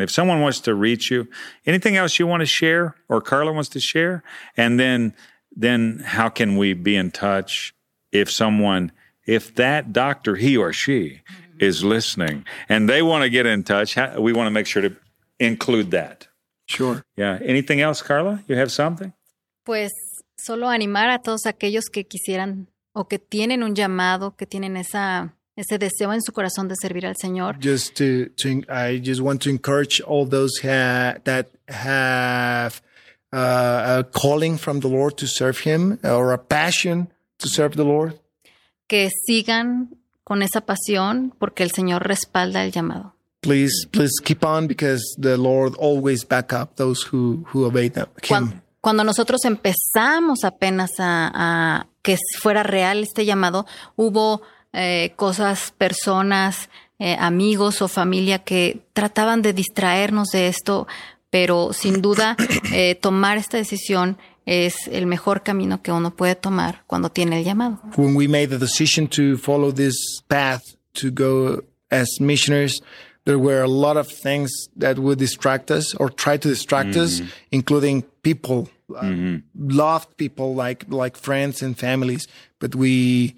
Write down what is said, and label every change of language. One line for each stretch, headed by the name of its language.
English: If someone wants to reach you, anything else you want to share or Carla wants to share? And then how can we be in touch if someone, if that doctor, he or she, is listening and they want to get in touch, we want to make sure to include that. Sure. Yeah. Anything else, Carla? You have something?
Spanish: Pues solo animar a todos aquellos que quisieran o que tienen un llamado, que tienen esa... ese deseo en su corazón de servir al Señor.
English: I just want to encourage all those that have a calling from the Lord to serve Him or a passion to serve the Lord.
Spanish: Que sigan con esa pasión porque el Señor respalda el llamado.
English: Please keep on because the Lord always back up those who obey Him.
Spanish: Cuando nosotros empezamos apenas a que fuera real este llamado, hubo cosas, personas, amigos o familia que trataban de distraernos de esto, pero sin duda tomar esta decisión es el mejor camino que uno puede tomar cuando tiene el llamado.
English: When we made the decision to follow this path to go as missionaries, there were a lot of things that would distract us or try to distract us, including people, loved people like friends and families, but we...